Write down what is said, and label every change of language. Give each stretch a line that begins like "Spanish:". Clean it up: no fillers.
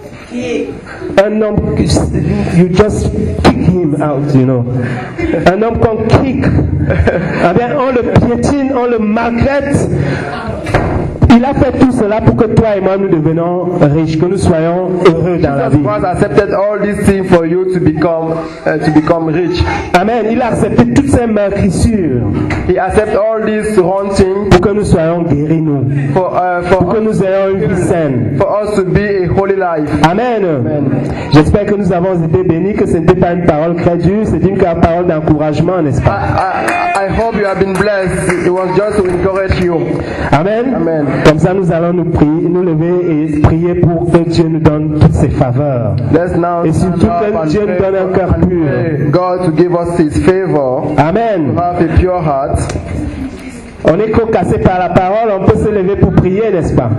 French: un homme,
English: you just kick him out, you know.
French: Un homme qu'on kick. Eh bien, on le piétine, on le maltraite. Il a fait tout cela pour que toi et moi nous devenions riches, que nous soyons heureux dans la vie.
English: Jesus Christ accepted all these things for you to become rich. Amen.
French: Il a accepté toutes ces meurtrissures.
English: He accepted all these wrong things
French: pour que nous soyons guéris nous.
English: For
French: pour que nous ayons une vie saine.
English: For us to be a holy life. Amen. Amen.
French: J'espère que nous avons été bénis, que ce n'était pas une parole crédule, c'est une parole d'encouragement, n'est-ce pas?
English: I hope you have been blessed. It was just to encourage you. Amen. Amen.
French: Comme ça, nous allons nous prier, nous lever et prier pour que Dieu nous donne toutes ses faveurs.
English: Let's now
French: et surtout que Dieu nous donne un cœur pur.
English: God to give us his favor. Amen. To have a pure heart.
French: On n'est qu'au cassé par la parole, on peut se lever pour prier, n'est-ce pas?